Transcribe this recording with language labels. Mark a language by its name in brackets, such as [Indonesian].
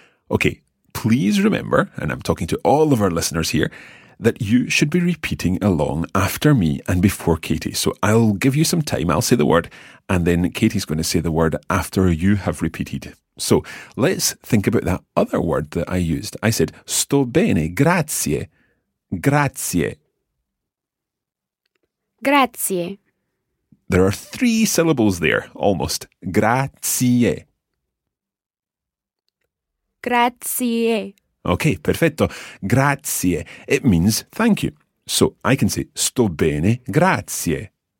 [English] Okay, please remember, and I'm talking to all of our listeners here, that you should be repeating along after me and before Katie. So I'll give you some time, I'll say the word, and then Katie's going to say the word after you have repeated. So let's think about that other word that I used. I said, [Italian] sto bene, grazie, grazie. Grazie. [English] There are three syllables there, almost. [Italian] Grazie. Grazie. [English] Okay, [Italian] perfetto. Grazie. [English] It means thank you. So I can say, [Italian] sto bene, grazie.